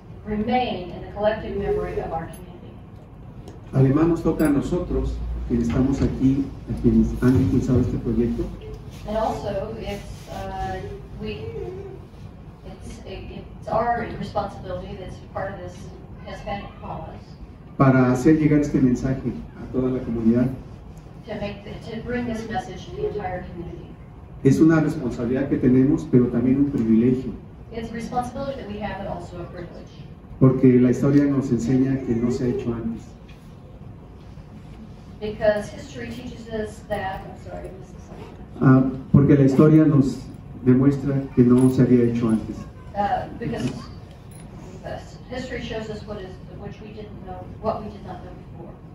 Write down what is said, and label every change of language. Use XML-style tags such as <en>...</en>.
<en>remain in the collective memory of our community.</en> <es>Además, nos toca a nosotros, quienes estamos aquí, a quienes han impulsado este proyecto.</es> <en>And also, it's our responsibility that's part of this Hispanic cause.</en> <es>Para hacer llegar este mensaje a toda la comunidad.</es> <en>To bring this message to the entire community.</en> <es>Es una responsabilidad que tenemos, pero también un privilegio.</es> <en>It's a responsibility that we have, but also a privilege.</en> <es>Porque la historia nos enseña que no se ha hecho antes.</es> <en>Because history teaches us that, I'm sorry, I missed the slide.</en> <es>Porque la historia nos demuestra que no se había hecho antes.</es> <en>Because history shows us what we did not know before.</en>